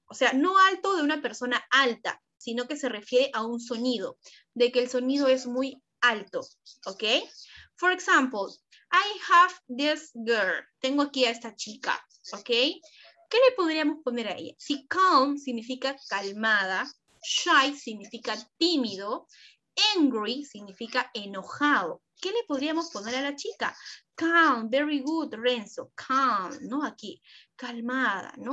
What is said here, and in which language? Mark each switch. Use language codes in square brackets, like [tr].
[es] O sea, no alto de una persona alta, sino que se refiere a un sonido, de que el sonido es muy alto, ¿ok? [en] For example, I have this girl. [es] Tengo aquí a esta chica, ¿ok? ¿Qué le podríamos poner a ella? Si calm significa calmada, shy significa tímido, angry significa enojado. ¿Qué le podríamos poner a la chica? [en] Calm, very good, [es] Renzo. Calm, ¿no? Aquí, calmada, ¿no?